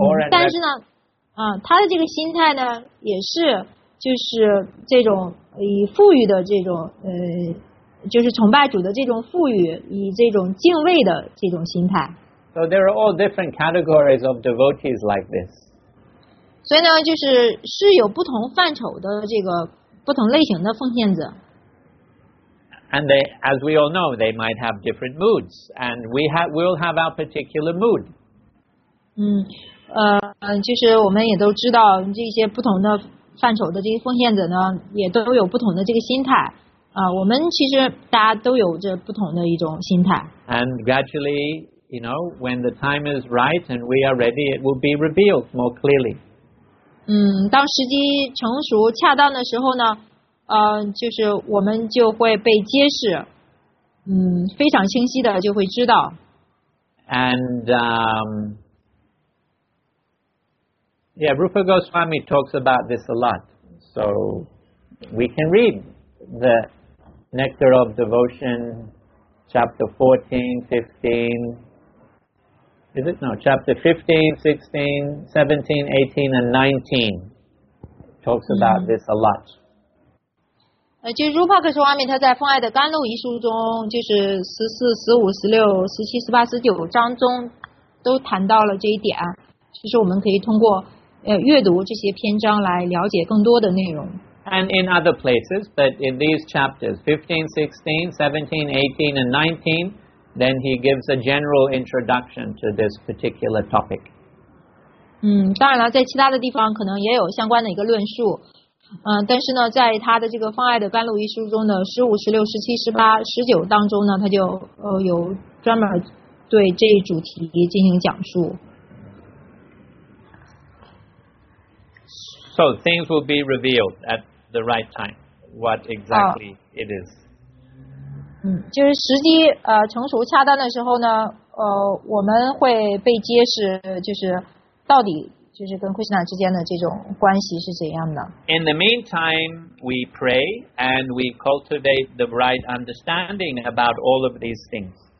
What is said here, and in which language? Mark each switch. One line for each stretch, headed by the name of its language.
Chinese: 但是呢，他的这个心态呢，也是就是这种以富裕的这种就是崇拜主的这种富裕，以这种敬畏的这种心态。
English: So there are all different categories of devotees like this.
Chinese: 所以呢，就是有不同范畴的这个不同类型的奉献者。
English: And they, as we all know, they might have different moods, and we'll have our particular mood.
Chinese: 就是我们也都知道这些不同的范畴的这些奉献者呢，也都有不同的这个心态。我们其实大家都有着不同的一种心态。
English: And gradually, you know, when the time is right and we are ready, it will be revealed more clearly.
Chinese: 当时机成熟、恰当的时候呢。就是我们就会被揭示。非常清晰的就会知道。
English: And yeah, Rupa Goswami talks about this a lot. So we can read the Nectar of Devotion, chapter 14, 15. Is it? No, chapter 15, 16, 17, 18, and 19. Talks about this a lot.
Chinese: 就是 Rupa Goswami 他在《奉爱的甘露》一书中，就是十四、十五、十六、十七、十八、十九章中，都谈到了这一点，就是我们可以通过阅读这些篇章来了解更多的内容。
English: And in other places, but in these chapters 15, 16, 17, 18, and 19, then he gives a general introduction to this particular topic.
Chinese: 当然了，在其他的地方可能也有相关的一个论述。但是呢，在他的这个《奉爱的甘露》一书中的十五、十六、十七、十八、十九当中呢，他就有专门对这一主题进行讲述。
English: So things will be revealed at the right time. What exactly it is?
Chinese: 就是时机成熟恰当的时候呢，我们会被揭示，就是到底。就是跟 Krishna 之间的这种关系是怎样的。
English: In the meantime, we pray and we cultivate the right understanding about all of these things.